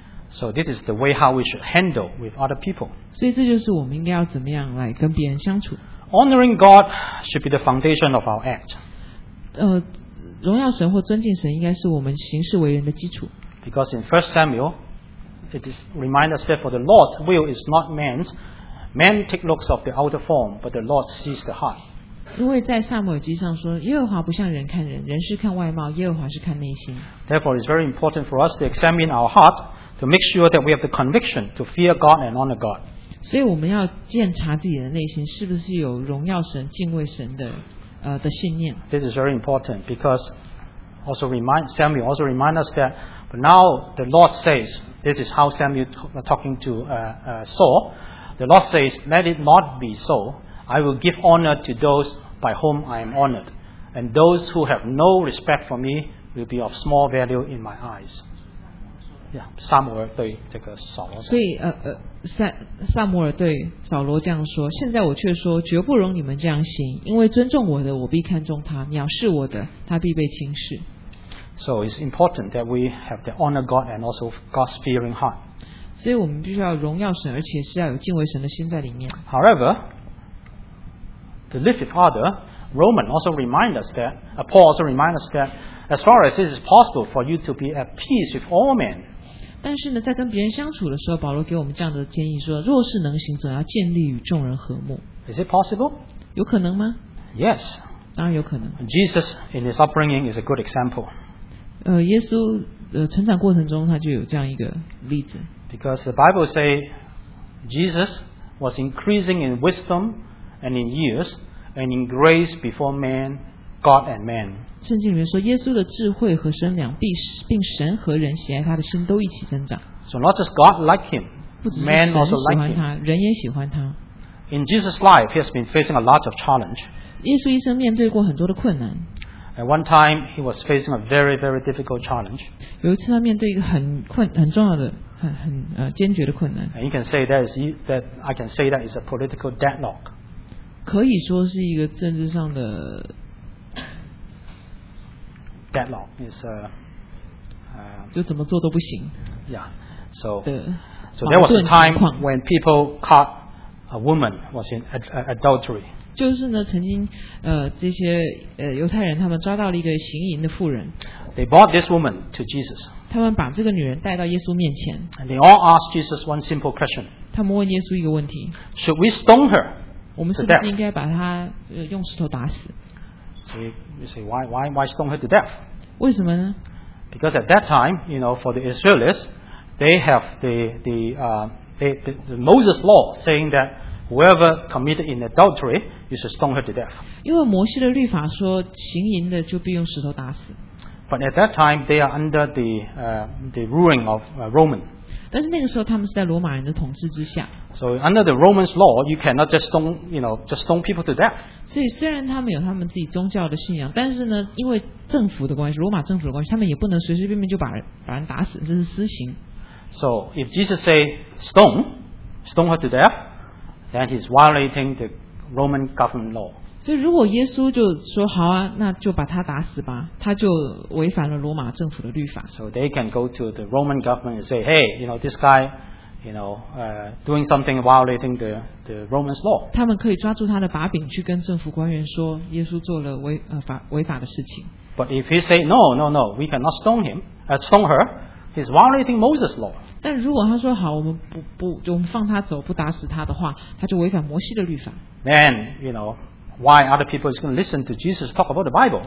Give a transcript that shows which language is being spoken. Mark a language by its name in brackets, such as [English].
[English] So this is the way how we should handle with other people. [Chinese] 所以这就是我们应该要怎么样来跟别人相处。 [English] Honoring God should be the foundation of our act. [Chinese] 荣耀神或尊敬神应该是我们行事为人的基础。 [English] Because in 1 Samuel, it is remind us that for the Lord's will is not man's. Man take looks of the outer form, but the Lord sees the heart. [Chinese] 因为在撒母耳记上说，耶和华不像人看人，人是看外貌，耶和华是看内心。 [English] Therefore, it's very important for us to examine our heart to make sure that we have the conviction to fear God and honor God. [Chinese] 所以我们要检查自己的内心是不是有荣耀神、敬畏神的的信念。 [English] This is very important because also Samuel also remind us that. But now the Lord says, this is how Samuel talking to Saul. The Lord says, let it not be so. I will give honor to those by whom I am honored, and those who have no respect for me will be of small value in my eyes. [Chinese] Yeah, 撒母耳对这个扫罗。所以撒母耳对扫罗这样说：现在我却说，绝不容你们这样行，因为尊重我的，我必看重他；藐视我的，他必被轻视。 [English] So it's important that we have the honor God and also God's fearing heart. [Chinese] 所以我们必须要荣耀神，而且是要有敬畏神的心在里面。 [English] However. To live with others, Roman also reminds us that, Paul also reminds us that, as far as it is possible for you to be at peace with all men. [Chinese] 但是呢，在跟别人相处的时候，保罗给我们这样的建议说，若是能行，总要建立与众人和睦。 [English] Is it possible? [Chinese] 有可能吗？ [English] Yes. [Chinese] 当然有可能。 [English] Jesus in his upbringing is a good example. [Chinese] 耶稣成长过程中他就有这样一个例子。 [English] Because the Bible says Jesus was increasing in wisdom. And in years, and in grace before man, God and man. [Chinese] 圣经里面说，耶稣的智慧和身量，并神和人喜爱他的心都一起增长。 [English] So not just God like him, man also like him. [Chinese] 不只是神喜欢他，人也喜欢他。 [English] In Jesus' life, he has been facing a lot of challenge. [Chinese] 耶稣一生面对过很多的困难。 [English] At one time, he was facing a very, very difficult challenge. [Chinese] 有一次他面对一个很重要的、坚决的困难。 [English] And you can say that is a political deadlock. [Chinese] 可以说是一个政治上的 [English] deadlock is a [Chinese] 就怎么做都不行 [English] yeah so there was a time when people caught a woman was in adultery [Chinese] 就是呢曾经这些犹太人他们抓到了一个行淫的妇人 [English] they brought this woman to Jesus [Chinese] 他们把这个女人带到耶稣面前 [English] and they all asked Jesus one simple question [Chinese] 他们问耶稣一个问题 [English] should we stone her? [Chinese] 我们是不是应该把他用石头打死？所以 [English] you say why stone her to death? [Chinese] 为什么呢 [English] ？Because at that time, you know, for the Israelites, they have the Moses law saying that whoever committed in adultery, you should stone her to death. [Chinese] 因为摩西的律法说，行淫的就必用石头打死。 [English] But at that time, they are under the ruling of Roman. [Chinese] 但是那个时候他们是在罗马人的统治之下。 [English] So under the Romans law, you cannot just stone, you know, just stone people to death. [Chinese] 所以虽然他们有他们自己宗教的信仰，但是呢，因为政府的关系，罗马政府的关系，他们也不能随随便便就把人打死，这是私刑。 [English] So if Jesus say stone her to death, then he's violating the Roman government law. [Chinese] 所以如果耶稣就说好啊，那就把他打死吧，他就违反了罗马政府的律法。 [English] So they can go to the Roman government and say, hey, you know, this guy, you know, doing something violating the Roman's law. [Chinese] 他们可以抓住他的把柄去跟政府官员说，耶稣做了违法的事情。 [English] But if he say no, we cannot stone him, stone her, he's violating Moses' law. [Chinese] 但如果他说好，我们放他走，不打死他的话，他就违反摩西的律法。 [English] Then, you know. Why other people is going to listen to Jesus talk about the Bible?